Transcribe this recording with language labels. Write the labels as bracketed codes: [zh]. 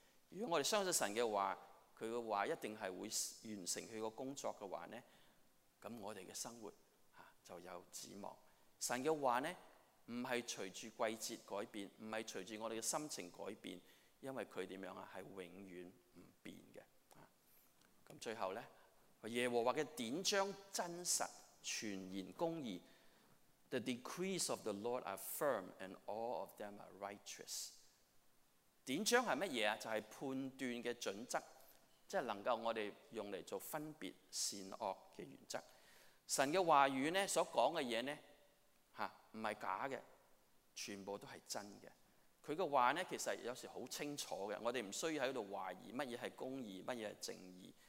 [zh] 如果我们相信神的话，他的话一定是会完成他的工作的话呢，那我们的生活就有指望。神的话呢不是随着季节改变，不是随着我们的心情改变，因为它怎样是永远不变的。最后呢，耶和华的典章真实，全然公义。 [en] The decrees of the Lord are firm and all of them are righteous。 [zh] 典章是什么？就是判断的准则，就是能够我们用来做分别善恶的原则。神的话语呢所说的东西不是假的，全部都是真的。他的话呢其实有时很清楚的，我们不需要在这里怀疑什么是公义，什么是正义。